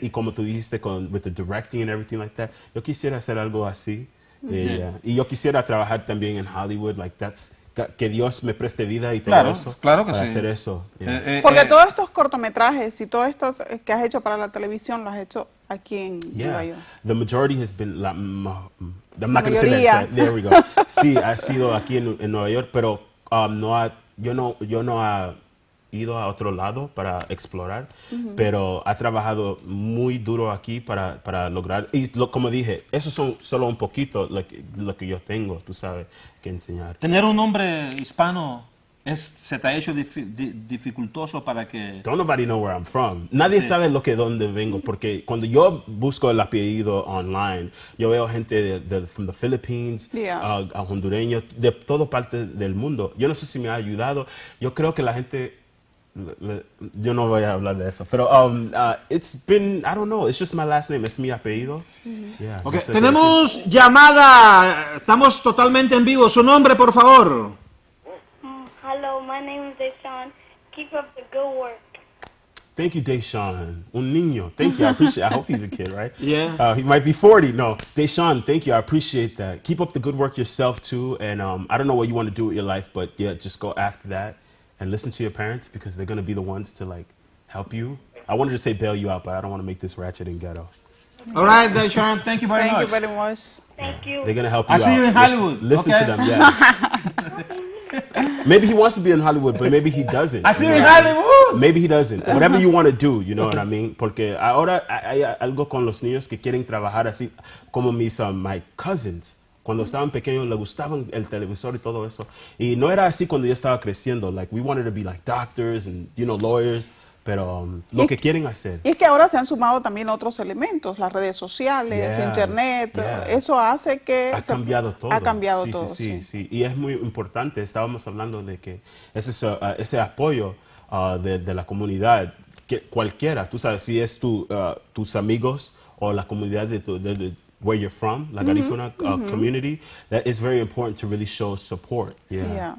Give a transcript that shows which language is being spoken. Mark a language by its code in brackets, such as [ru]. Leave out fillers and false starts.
[es] Y como tú dijiste, [en] with the directing and everything like that, [es] yo quisiera hacer algo así. Y yo quisiera trabajar también en Hollywood, [en] like that's, [es] que Dios me preste vida y todo eso. Claro que para sí. Hacer eso. Porque todos estos cortometrajes y todo esto que has hecho para la televisión, lo has hecho aquí en Nueva York. [en] The majority has been I'm not going to say that. There we go. [es] Sí, ha sido aquí en Nueva York, pero yo no ha ido a otro lado para explorar, pero ha trabajado muy duro aquí para lograr. Y como dije, eso son solo un poquito lo que yo tengo, tú sabes, que enseñar. Tener un nombre hispano se te ha hecho dificultoso para que... [en] Don't nobody know where I'm from. [es] Nadie sabe dónde vengo, porque cuando yo busco el apellido online, yo veo gente [en] from the Philippines, [es] a hondureños, de toda parte del mundo. Yo no sé si me ha ayudado. Yo creo que la gente... yo no voy a hablar de eso, pero [en] it's been, I don't know, it's just my last name, [es] es mi apellido. [en] Yeah, okay. [es] Tenemos llamada, estamos totalmente en vivo, su nombre, por favor. [en] Hello, my name is Deshaun, keep up the good work. Thank you, Deshaun, [es] un niño, [en] thank you, I appreciate it. I hope he's a kid, right? Yeah. He might be 40, no, Deshaun, thank you, I appreciate that. Keep up the good work yourself too, and I don't know what you want to do with your life, but yeah, just go after that. And listen to your parents because they're going to be the ones to, like, help you. I wanted to say bail you out, but I don't want to make this ratchet and ghetto. All right, Deshaun, thank you very much. Thank you very much. Thank you. They're going to help you out. I'll see you in Hollywood. Listen to them, yes. Maybe he wants to be in Hollywood, but maybe he doesn't. I see you in Hollywood. Maybe he doesn't. Whatever you want to do, you know what I mean? [es] Porque ahora hay algo con los niños que quieren trabajar así como mis [en] my cousins. [es] Cuando estaban pequeños, les gustaba el televisor y todo eso. Y no era así cuando yo estaba creciendo. [en] Like, we wanted to be like doctors and, you know, lawyers. [es] Pero lo que quieren hacer. Y es que ahora se han sumado también otros elementos, las redes sociales, internet. [en] Yeah. [es] Eso hace que... Ha cambiado todo. Y es muy importante. Estábamos hablando de que ese apoyo de la comunidad, que cualquiera, tú sabes, si es tus amigos o la comunidad de [en] where you're from, [es] la Garifuna community, [en] that is very important to really show support. Yeah.